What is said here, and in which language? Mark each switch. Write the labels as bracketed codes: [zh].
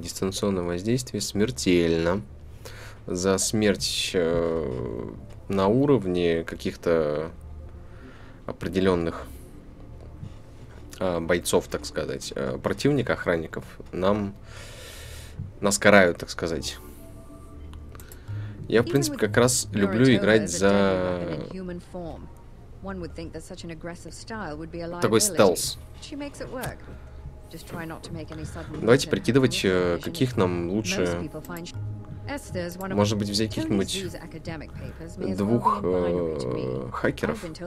[ru] Дистанционное воздействие смертельно. За смерть на уровне каких-то определенных бойцов, так сказать, противника, охранников, нас карают, так сказать. Я, в принципе, как раз люблю играть за [en] One would think that such an aggressive style would be a liability. [ru] Давайте прикидывать, каких нам лучше. Может быть, взять каких-нибудь двух хакеров.